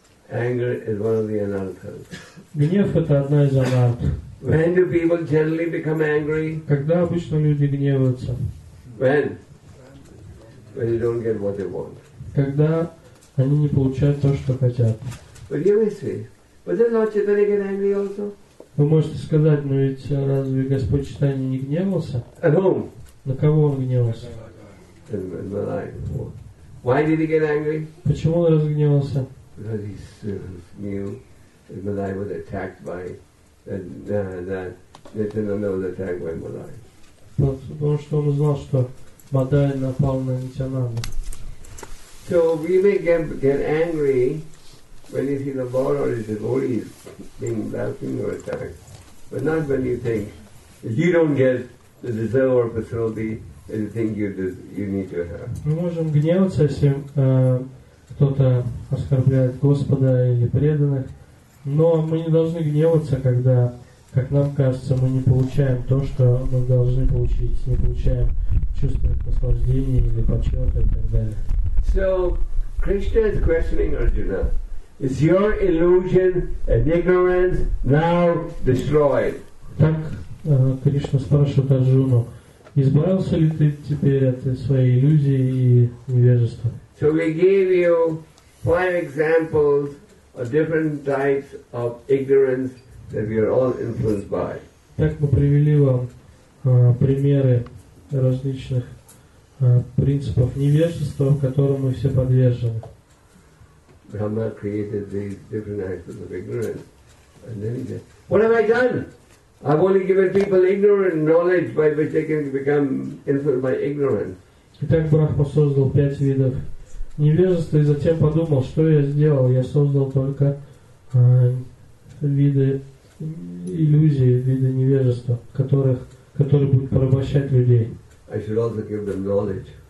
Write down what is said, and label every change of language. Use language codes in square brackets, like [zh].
[en] Anger is one of the anarthas. [ru] Гнев – это одна из анарт. [en] When do people generally become angry? [ru] Когда обычно люди гневаются? [en] When? When they don't get what they want. [ru] Когда они не получают то, что хотят. [en] But you may say, but does Lord Chaitanya get angry also? [ru] Вы можете сказать, но ведь разве Господь Чайтанья не гневался? [en] At whom? [ru] На кого он гневался? [en] In the life. Why did he get angry? [ru] Почему он разгневался? [en] Because he knew that Malai was attacked by that Nityananda was attacked by Malai. [ru] Потому что он знал, что Мадай напал на Нитянанду. [en] So we may get angry when you see the Lord or his devotees being blasphemed or attacked, but not when you think you don't get the desire or facility that you think you need to have. [ru] Мы можем гневаться, если кто-то оскорбляет Господа или преданных, но мы не должны гневаться, когда, как нам кажется, мы не получаем то, что мы должны получить, не получаем чувство наслаждения или почета и так далее. [en] So Krishna is questioning Arjuna. Is your illusion and ignorance now destroyed? [ru] Так Кришна спрашивает Арджуну: избавился ли ты теперь от своей иллюзии и невежества? [en] So we gave you 5 examples of different types of ignorance that we are all influenced by. [ru] Так мы привели вам примеры различных принципов невежества, которым мы все подвержены. [en] Brahma created these different types of ignorance, and then he said, "What have I done? I've only given people ignorant knowledge by which they can become influenced by ignorance." [ru] Итак, Брахма создал 5 видов невежество и затем подумал, что я сделал. Я создал только виды иллюзии, виды невежества, которые будут порабощать людей. [en] I should also give them knowledge.